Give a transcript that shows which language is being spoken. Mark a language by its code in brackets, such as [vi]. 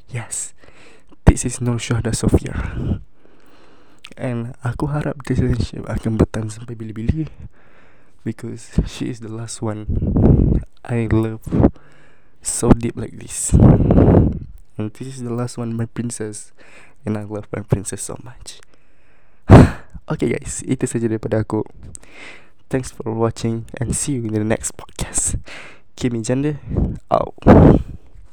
[en] Yes, this is Nur Syahda Sofia. And [ms] aku harap [en] this relationship [ms] akan bertahan sampai bila-bila, [en] because she is the last one I love so deep like this. And this is the last one, my princess, and I love my princess so much. [ms] Okay guys, itu saja daripada aku. [en] Thanks for watching, and see you in the next podcast. Kimmy Gender out.